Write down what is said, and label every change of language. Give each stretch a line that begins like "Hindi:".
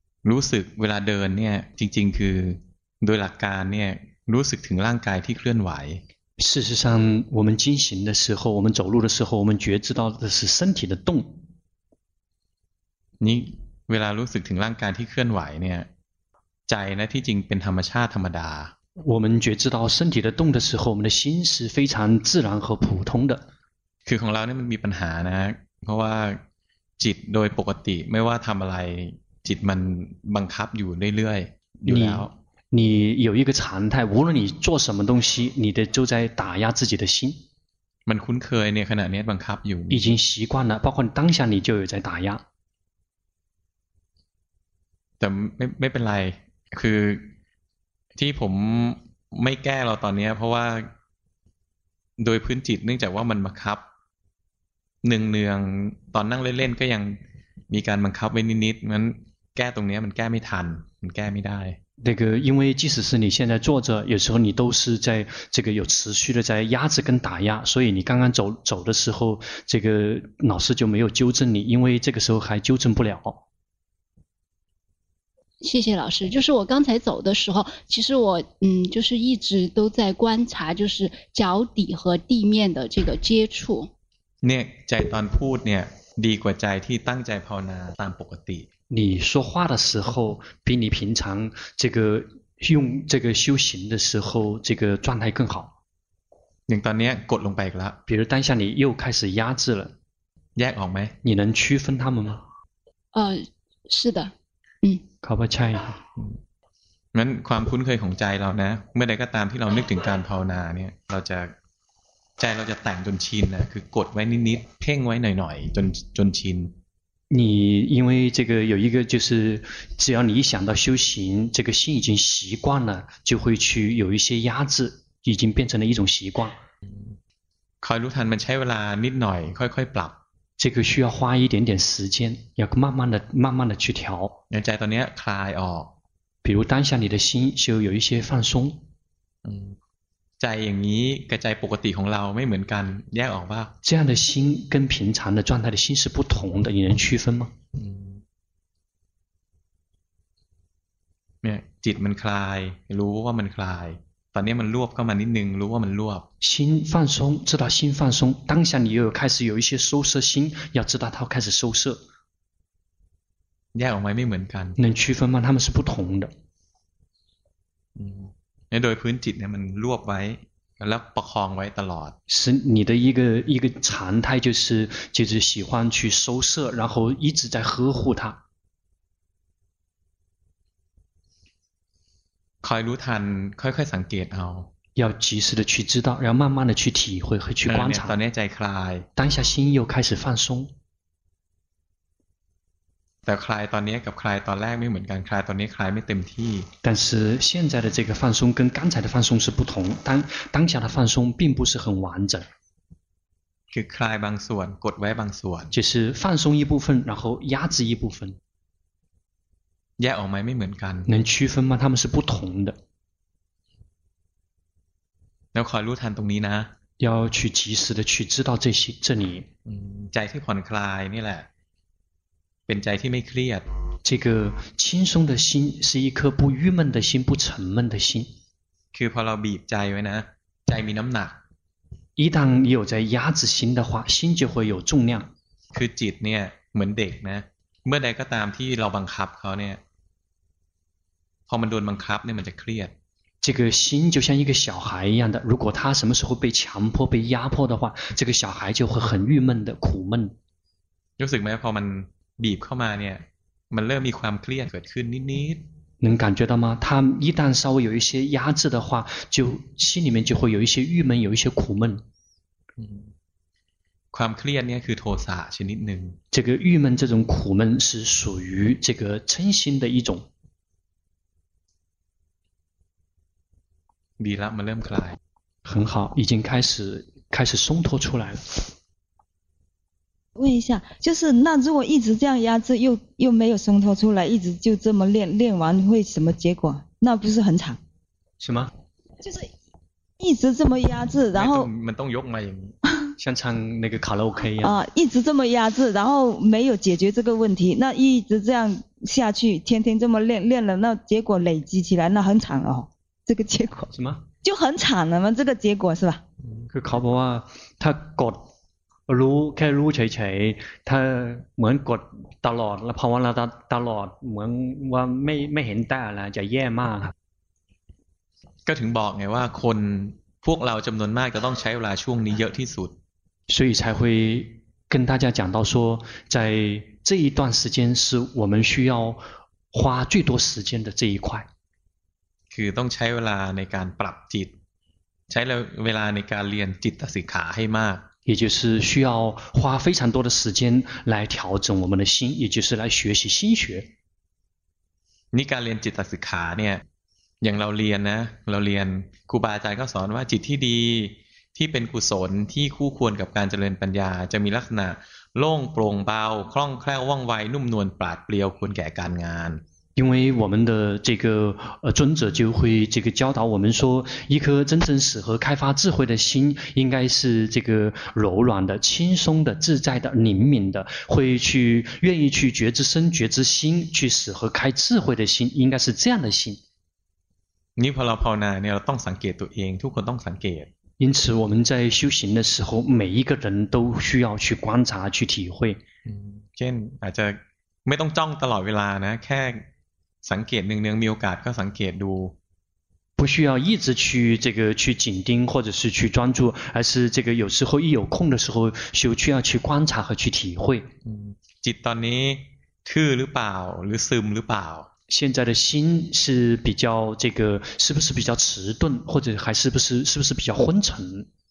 Thai: รู้สึกเวลาเดินเนี่ยจริงๆคือโดยหลักการเนี่ยรู้สึกถึงร่างกายที่เคลื่อนไหว
Chinese: 事实上我们进行的时候我们走路的时候我们觉知到的是身体的动
Thai: นี่เวลารู้สึกถึงร่างกายที่เคลื่อนไหวเนี่ยใจนะที่จริงเป็นธรรมชาติธรรมดา
Chinese: 我们觉知到身体的动的时候我们的心是非常自然和普通的
Thai: คือของเราเนี่ยมันมีปัญหานะเพราะว่าจิตโดยปกติไม่ว่าทำอะไรจิตมันบังคับอยู่เรื่อยๆอยู่แล้ว
Chinese: 你有一个常态无论你做什么东西你的就在打压自己的心
Thai: มันคุ้นเคยเนี่ยขณะนี้บังคับอยู่
Chinese: 已经习惯了包括当下你就有在打压
Thai: แต่ไม่เป็นไรคือที่ผมไม่แก้เราตอนนี้เพราะว่าโดยพื้นจิตเนื่องจากว่ามันบังคับเนืองๆตอนนั่งเล่นๆก็ยังมีการบังคับไว้นิดๆงั้นแก้ตรงนี้มันแก้ไม่ทันมันแก้ไม่ได้
Chinese: 那个，因为即使是你现在坐着，有时候你都是在这个有持续的在压制跟打压，所以你刚刚走的时候，这个老师就没有纠正你，因为这个时候还纠正不了。谢谢老师，就是我刚才走的时候，其实我就是一直都在观察，就是脚底和地面的这个接触。
Thai: เนี่ยใจตอนพูดเนี่ยดีกว่าใจที่ตั้งใจภาวนาตามปกติ
Chinese: 你说话的时候比你平常这个用这个修行的时候这个状态更好
Thai: อย่างตอนนี้กดลงไปอีกแล้ว
Chinese: 比如当下你又开始压制了
Thai: แยกออกไหม
Chinese: 你能区分他们吗是的
Thai: ขอบคุณใช่งั้นความคุ้นเคยของใจเรานะเมื่อใดก็ตามที่เรานึกถึงการภาวนาเนี่ยเราจะใจเราจะแต่งจนชินนะคือกดไว้นิดๆเพ่งไว้หน่อยๆจนชิน
Chinese: 你因为这个有一个就是只要你一想到修行这个心已经习惯了就会去有一些压制已经变成了一种习惯
Thai: คอยรู้ทันมันใช้เวลานิดหน่อยค่อยๆปรับ
Chinese: 这个需要花一点点时间要慢慢的去调
Thai: เนี่ยใจตอนนี้คลายออก
Chinese: 比如当下你的心就有一些放松
Thai: ใจอย่างนี้กระจายปกติของเราไม่เหมือนกันแยกออกป่ะ
Chinese: 这样的心跟平常的状态的心是不同的你能区分吗
Thai: เนี่ยจิตมันคลายรู้ว่ามันคลายตอนนี้มันรวบเข้ามานิดนึงรู้ว่ามันรวบ
Chinese: 心放松知道心放松当下你又开始有一些收摄心要知道它开始收摄
Thai: แยกออกไม่เหมือนกัน
Chinese: 能区分吗他们是不同的
Thai: โดยพื้นจิตเนี่ยมันรวบไว้แล้วประคองไว้ตลอด
Chinese: 是你的一个常态就是喜欢去收摄然后一直在呵护它
Thai: คอยรู้ทันค่อยๆสังเกตเอา
Chinese: 要及时的去知道然后慢慢的去体会和去观察
Thai: ตอนนี้ใจคลาย
Chinese: 当下心又开始放松
Thai: แต่คลายตอนนี้กับคลายตอนแรกไม่เหมือนกันคลายตอนนี้คลายไม่เต็มที่
Chinese: 但是现在的这个放松跟刚才的放松是不同当下的放松并不是很完整
Thai: คือคลายบางส่วนกดไว้บางส่วน
Chinese: 就是放松一部分然后压制一部分
Thai: แยกออกไหมไม่เหมือนกัน
Chinese: 能区分吗他们是不同的
Thai: แล้วคอยรู้ทันตรงนี้นะ
Chinese: 要去及时的去知道这里
Thai: ใจที่ผ่อนคลายนี่แหละเป็นใจที่ไม่เครียด
Chinese: 这个轻松的心是一颗不郁闷的心不沉闷的心
Thai: คือพอเราบีบใจไว้นะใจมีน้ำหนัก
Chinese: 一旦你有在压制心的话心就会有重量
Thai: คือจิตเนี่ยเหมือนเด็กนะเมื่อใดก็ตามที่เราบังคับเขาเนี่ยพอมันโดนบังคับเนี่ยมันจะเครียด
Chinese: 这个心就像一个小孩一样的如果他什么时候被强迫被压迫的话这个小孩就会很郁闷的苦闷
Thai: รู้สึกไหมพอมันบีบเข้ามาเนี่ยมันเริ่มมีความเครียดเกิดขึ้นนิด
Chinese: ๆ能感觉到吗他一旦稍微有一些压制的话就心里面就会有一些郁闷有一些苦闷
Thai: ความเครียดเนี่ยคือโทสะชนิดหนึ่ง
Chinese: 这个郁闷这种苦闷是属于这个嗔心的一种
Thai: ดีละมันเริ่มคลาย
Chinese: 很好已经开始松脱出来了问一下就是那如果一直这样压制又没有松脱出来一直就这么练完会什么结果那不是很惨什么就是一直这么压制然后
Thai: มันต้องยกมาอย่างนี้
Chinese: 像唱那个卡拉 OK 一样啊，一直这么压制，然后没有解决这个问题，那一直这样下去，天天这么练，练了，那结果累积起来，那很惨哦。这个结果什么？就很惨了嘛，这个结果是吧？可考不啊？他搞撸开撸锤锤，他门搞打落，那跑完了打落门，我没很大了，就厌骂。
Thai: ก็ถึงบอกไงว่าคนพวกเราจำนวนมากจะต้องใช้เวลาช่วงนี้เยอะที่สุด
Chinese: 所以才会跟大家讲到说在这一段时间是我们需要花最多时间的这一块
Thai: คือต้องใช้เวลาในการปรับจิตใช้เวลาในการเรียนจิตสิกขาให้มาก
Chinese: 也就是需要花非常多的时间来调整我们的心也就是来学习心学
Thai: นี่การเรียนจิตสิกขาเนี่ยอย่างเราเรียนนะเราเรียนครูบาอาจารย์ก็สอนว่าจิตที่ดีที่เป็นกุศลที่คู่ควรกับการเจริญปัญญาจะมีลักษณะโล่งโปร่งเบาคล่องแคล่วว่องไวนุ่มนวลปราดเปรียวควรแก่การงาน
Chinese: 因为我们的这个尊者就会这个教导我们说一颗真正适合开发智慧的心应该是这个柔软的轻松的自在的灵敏的会去愿意去觉知身觉知心去适合开智慧的心应该是这样的心
Thai: นี่พอเราภาวนาเนี่ยเราต้องสังเกตตัวเองทุกคนต้องสังเกต
Chinese: 因此我们在修行的时候每一个人都需要去观察去体会
Thai: เช่นอาจจะไม่ต้องจ้องตลอดเวลานะแค่สังเกตเนืองๆมีโอกาสก็สังเกตดู
Chinese: 不需要一直去这个去紧盯或者是去专注而是这个有时候一有空的时候就需要去观察和去体会
Thai: จิตตอนนี้ทื่อหรือเปล่าหรือซึมหรือเปล่า
Chinese: 现在的心是比较这个是不是比较迟钝或者还是不是比较昏沉